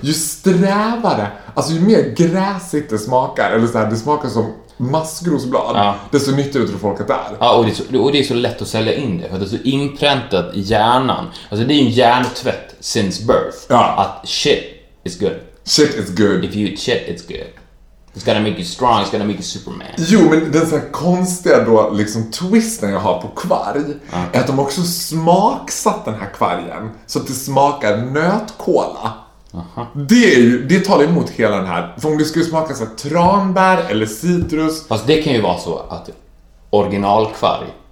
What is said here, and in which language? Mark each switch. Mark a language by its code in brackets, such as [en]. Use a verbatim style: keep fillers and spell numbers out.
[sv] Ju strävare, alltså ju mer gräsigt det smakar, eller så här, det smakar som maskrosblad, ja, desto nyttigare tror folk att det är. Ja, och det är, så, och det är så lätt att sälja in det, för att det är så inpräntat i hjärnan. Alltså det är en hjärntvätt [en] since birth. [sv] Ja. [en] Att shit is good. Shit is good. If you eat shit, it's good. It's gonna make you strong, it's gonna make you Superman. [sv] Jo, men den så här konstiga då, liksom, twisten jag har på kvarg, mm, är att de också smaksatt den här kvargen så att det smakar nötkola. Uh-huh. Det är ju, det talar emot hela den här. För om det skulle smaka så här tranbär eller citrus. Fast det kan ju vara så att originalkvarg